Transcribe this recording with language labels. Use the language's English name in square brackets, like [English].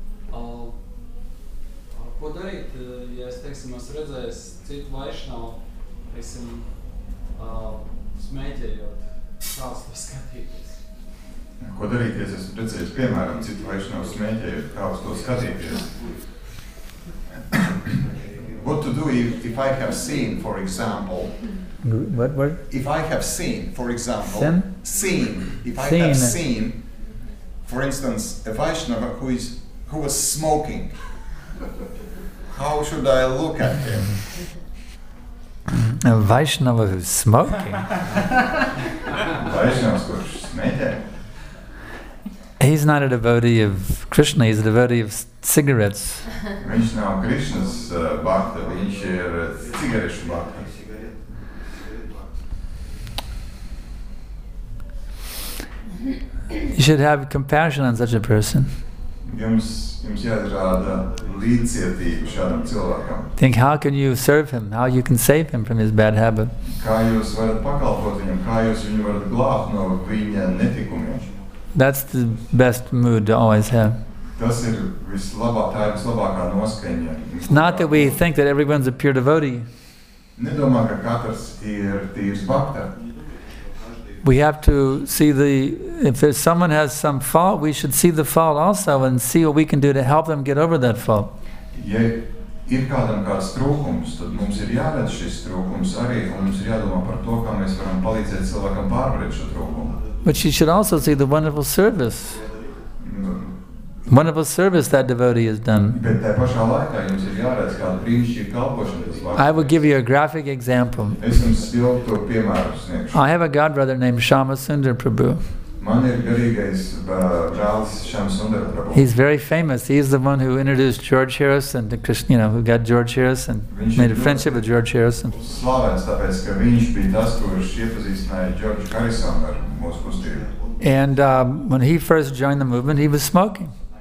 [Latvian] Ko darīt, ja es, teiksim, esmu redzējis citu vaišnavu, teiksim, smēķējot, kāds to skatīties? Ko darīt, ja es esmu redzējis, piemēram, citu vaišnavu smēķējot, kāds to skatīties? [English] What to do if I have seen, for example, what? If I have seen, for example, seen. If I have seen, for instance, a Vaishnava who was smoking, how should I look at him? A Vaishnava who's smoking? Vaishnava who's smoking. He's not a devotee of Krishna, he's a devotee of cigarettes. [Latvian] Viņš nav Krišnas bakta, viņš ir cigarešu bakta. [English] You should have compassion on such a person. [Latvian] Jums jādrāda līdzcietību šādam cilvēkam. [English] Think, how can you serve him? How you can save him from his bad habit? [Latvian] Kā jūs varat pakalpot viņam? Kā jūs viņu varat glābt no viņa netikumiem? [English] That's the best mood to always have. [Latvian] Tas ir vislabākā noskaņa. [English] It's not that we think that everyone's a pure devotee. [Latvian] Nedomā, ka katrs ir tīrs bakta. [English] We have to see the, if there's someone has some fault, we should see the fault also and see what we can do to help them get over that fault. [Latvian] Ja ir kādam kāds trūkums, tad mums ir jāredz šis trūkums arī, un mums ir jādomā par to, kā mēs varam palīdzēt cilvēkam pārvarēt šo trūkumu. [English] But she should also see the wonderful service. Wonderful service that devotee has done. [Latvian] Bet tajā pašā laikā jums ir jāredz kādu brīnišķīgu kalpošanu. [English] I will give you a graphic example. [Latvian] Es jums stiltu piemēru sniegšu. [English] I have a godbrother named Shamasundar Prabhu. [Latvian] Man ir garīgais brālis Shamasundar Prabhu. [English] He's very famous. He is the one who introduced George Harrison to Krishna, you know, who got George Harrison, made a friendship with George Harrison. [Latvian] Slavens, tāpēc, ka viņš bija tas, kurš iepazīstināja George Harrison ar mūsu kustību. [English] And when he first joined the movement, he was smoking.